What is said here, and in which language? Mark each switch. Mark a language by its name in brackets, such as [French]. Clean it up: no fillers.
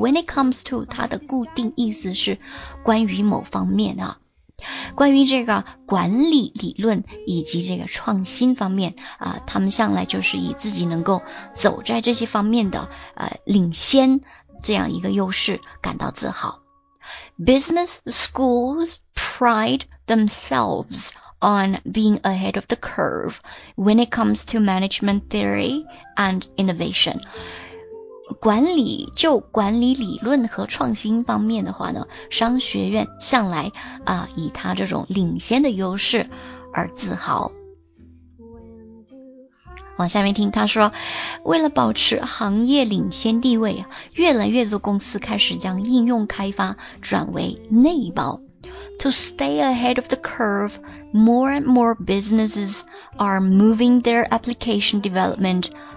[English] When it comes to, [Chinese] 它的固定意思是关于某方面啊，关于这个管理理论以及这个创新方面啊、他们向来就是以自己能够走在这些方面的领先这样一个优势感到自豪。 [English] Business schools pride themselves on being ahead of the curve when it comes to management theory and innovation. [Chinese] 管理，就管理理论和创新方面的话呢，商学院向来啊、以他这种领先的优势而自豪。往下面听，他说，为了保持行业领先地位，越来越多公司开始将应用开发转为内包。 [English] To stay ahead of the curve, more and more businesses are moving their application development.